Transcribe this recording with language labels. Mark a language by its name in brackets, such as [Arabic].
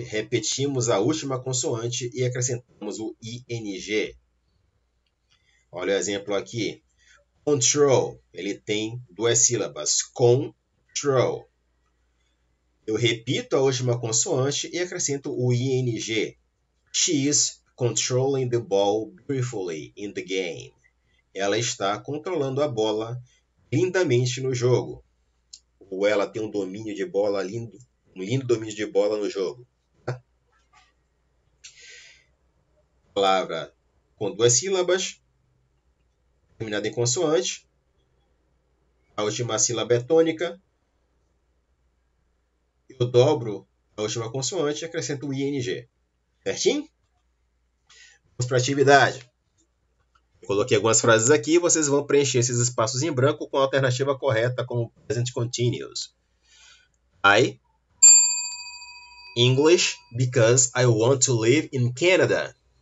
[Portuguese] Repetimos a última consoante e acrescentamos o ING. Olha o exemplo aqui. Control. Ele tem duas sílabas. [English] Control. [Portuguese] Eu repito a última consoante e acrescento o ING. [English] She's controlling the ball beautifully in the game. [Portuguese] Ela está controlando a bola lindamente no jogo. Ou ela tem um domínio de bola lindo, um lindo domínio de bola no jogo. Palavra com duas sílabas, terminada em consoante. A última sílaba é tônica. Eu dobro a última consoante e acrescento o ING. Certinho? Vamos para a atividade. Eu coloquei algumas frases aqui. Vocês vão preencher esses espaços em branco com a alternativa correta, como present continuous. [English] I English because I want to live in Canada.